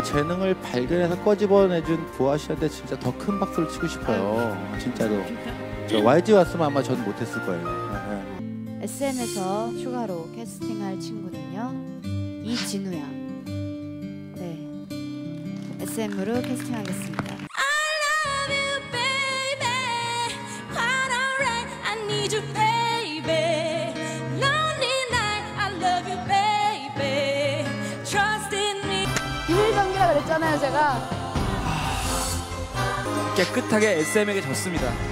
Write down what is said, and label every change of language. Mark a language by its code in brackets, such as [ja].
[ko] 재능을 발견해서 꺼집어내준 도화 씨한테 진짜 더 큰 박수를 치고 싶어요. 진짜로. 저 YG 왔으면 아마 전 못했을 거예요. SM에서 추가로 캐스팅할 친구는요, 이진우야. 네, SM으로 캐스팅하겠습니다. [en] I love you, baby. Quite alright, I need you, baby. Lonely night, I love you, baby. Trust in me. [ko] 비밀정기라 그랬잖아요, 제가. 깨끗하게 SM에게 졌습니다.